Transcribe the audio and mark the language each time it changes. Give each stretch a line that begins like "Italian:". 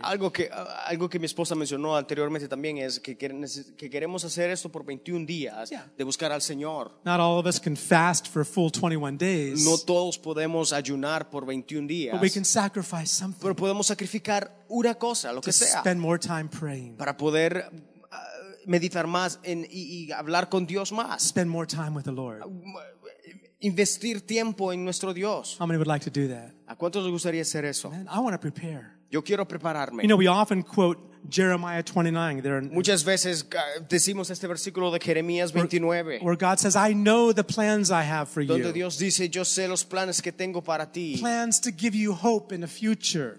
Spanish: Algo que mi esposa mencionó anteriormente también es que queremos hacer esto por 21 días de buscar al Señor.
English: Not all of us can fast for a full 21 days.
Spanish: No todos podemos ayunar por 21 días.
English: But we can sacrifice something.
Spanish: Pero podemos sacrificar una cosa, lo que sea.
English: Spend more time praying.
Spanish: Para poder meditar más en, y hablar con Dios más.
English: Spend more time with the Lord.
Spanish: Investir tiempo en nuestro Dios.
English: How many would like to do that?
Spanish: ¿A cuántos les gustaría hacer eso?
English: Man, I want to prepare.
Spanish: Yo quiero prepararme.
English: You know, we often quote Jeremiah 29. There in,
Spanish: muchas veces decimos este versículo de Jeremías 29.
English: Where God says, I know the plans I have for
Spanish: donde
English: you.
Spanish: Donde Dios dice, yo sé los planes que tengo para ti.
English: Plans to give you hope in the future.